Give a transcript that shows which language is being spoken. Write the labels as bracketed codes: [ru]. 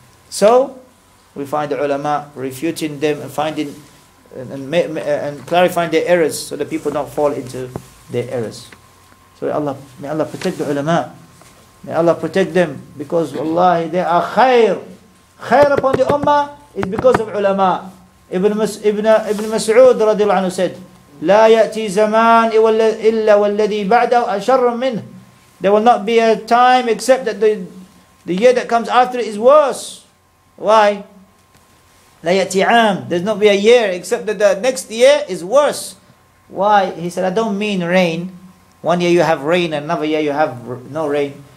[en] So, we find the ulama refuting them and finding and clarifying their errors so that people don't fall into their errors. So, may Allah protect the ulama. May Allah protect them, because wallahi, they are khair. Khair upon the ummah is because of ulama. Ibn Mas'ud radiallahu anhu said, [ar] لا يأتي زمان إلا والذي بعده أشر منه. [en] There will not be a time except that the year that comes after it is worse. [ar] Why? لا يأتي عام. [en] There's not be a year except that the next year is worse. Why? He said, I don't mean rain. One year you have rain, another year you have no rain.